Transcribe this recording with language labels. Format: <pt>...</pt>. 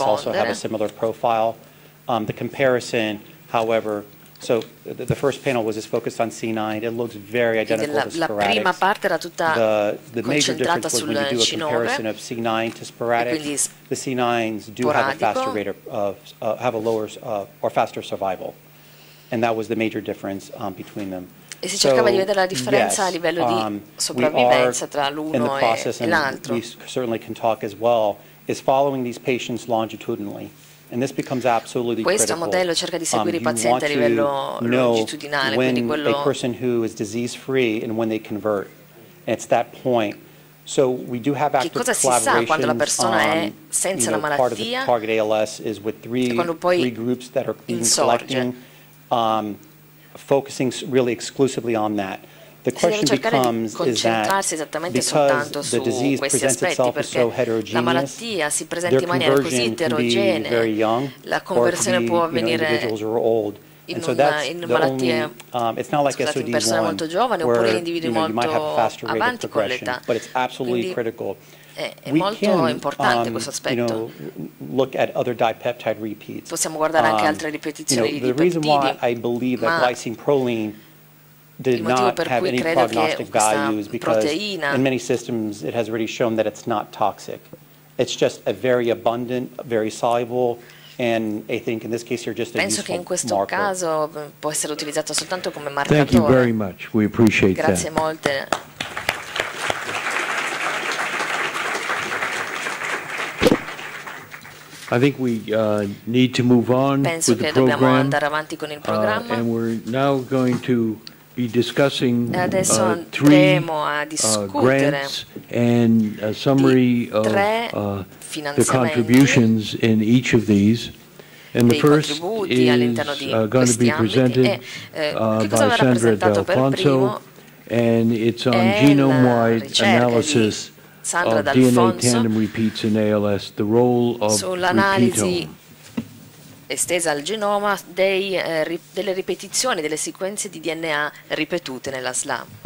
<en>also have a similar profile. The comparison, however, So the first panel was just focused on C9. It looks very identical to sporadics.</en> <it>La prima parte era tutta concentrata sul C9.</it> <en>The major difference was when you do a comparison of C9 to sporadics, the C9s do have a faster rate of have a lower or faster survival, and that was the major difference between them.</en> <it>E si cercava di vedere la differenza a livello di sopravvivenza tra l'uno e l'altro.</it> <en>We certainly can talk as well. Is following these patients longitudinally. And this becomes absolutely</en> <it>questo</it> <en>critical.</en> <it>Modello cerca di seguire i pazienti a livello longitudinale,</it> <en>when</en> <it>quindi quello</it> <en>a person who is disease free and when they convert. And it's that point. So we do have active</en> <it>che cosa si sa quando la persona è senza la malattia?</it> <en>Part of the target ALS is with three groups that are being collecting, focusing really exclusively on that. The question becomes is that because the disease presents itself as so heterogeneous, their conversion can be very young or can be, individuals who are old. And so that's the only, it's not like SOD1 where you might have a faster rate of progression, but it's absolutely critical.</en> <it>È molto importante questo aspetto.</it> <en>Look at other dipeptide repeats.</en> <it>Possiamo guardare anche altre ripetizioni di dipeptidi.</it> <en>The reason why I believe that glycine proline did not have any prognostic value is because in many systems it has already shown that it's not toxic. It's just a very abundant, very soluble, and I think in this case you're just a useful marker.</en> <it>Penso che in questo caso può essere utilizzato soltanto come marcatore.</it> <en>Thank you very much. We appreciate that.</en> <it>Grazie molte.</it> <en>I think we need to move on</en> <it>penso</it> <en>with the program.</en> <it>Penso che dobbiamo andare avanti con il programma.</it> <en>And we're now going to be discussing three grants and a summary of the contributions in each of these. And the first is going to be presented by Sandra D'Alfonso, and it's on genome-wide analysis of DNA tandem repeats in ALS, the role of repeatome.</en> <it>Estesa al genoma delle ripetizioni, delle sequenze di DNA ripetute nella SLA.</it>